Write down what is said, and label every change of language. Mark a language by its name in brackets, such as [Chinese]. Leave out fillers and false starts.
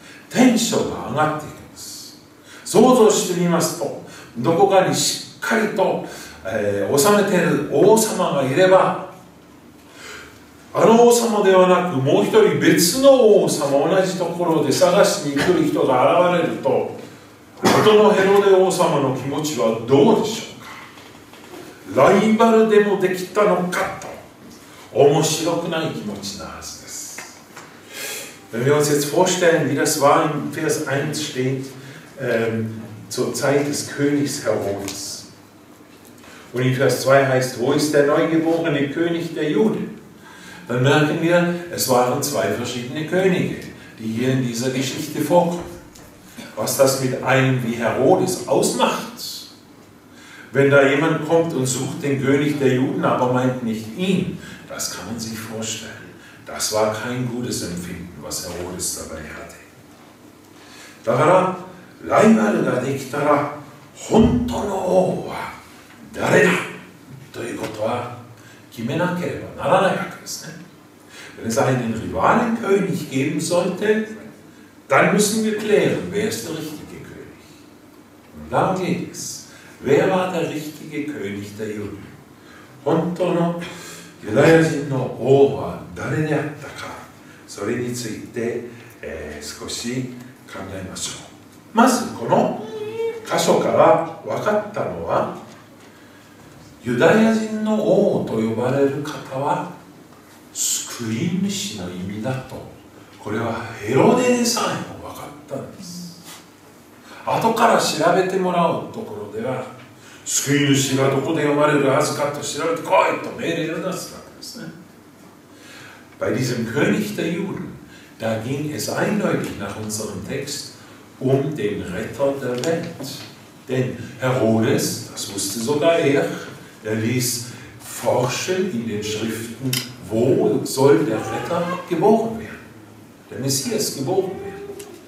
[Japanese] テンションが上がっていきます。想像してみますと、どこかにしっかりと、治めている王様がいれば、あの王様ではなくもう一人別の王様、同じところで探しに来る人が現れると、元のヘロデ王様の気持ちはどうでしょうか。ライバルでもできたのかと、面白くない気持ちなはずです。 [German] Wenn wir uns jetzt vorstellen, wie das war in Vers 1 steht, zur Zeit des Königs Herodes. Und in Vers 2 heißt, wo ist der neugeborene König der Juden? Dann merken wir, es waren zwei verschiedene Könige, die hier in dieser Geschichte vorkommen. Was das mit einem wie Herodes ausmacht, wenn da jemand kommt und sucht den König der Juden, aber meint nicht ihn, das kann man sich vorstellen. Das war kein gutes Empfinden, was Herodes dabei hatte. Da war er, [Japanese] ライバルができたら本当の王は誰だということは決めなければならないわけですね。 [German] Wenn es einen Rivalenkönig geben sollte, dann müssen wir klären, wer ist der richtige König. Und darum geht es. Wer war der richtige König der Juden? [Japanese] 本当のユダヤ人の王は誰であったか、それについて、少し考えましょう。まずこの箇所から分かったのは、ユダヤ人の王と呼ばれる方は救い主の意味だと、これはヘロデでさえも分かったんです。後から調べてもらうところでは、救い主がどこで呼ばれるはずかと調べてこいと命令を出すわけですね。 [German] Bei diesem König der Juden, da ging es eindeutig nach unserem Text,den Retter der Welt. Denn Herodes, das wusste sogar er, er ließ forschen in den Schriften, wo soll der Retter geboren werden, der Messias geboren werden.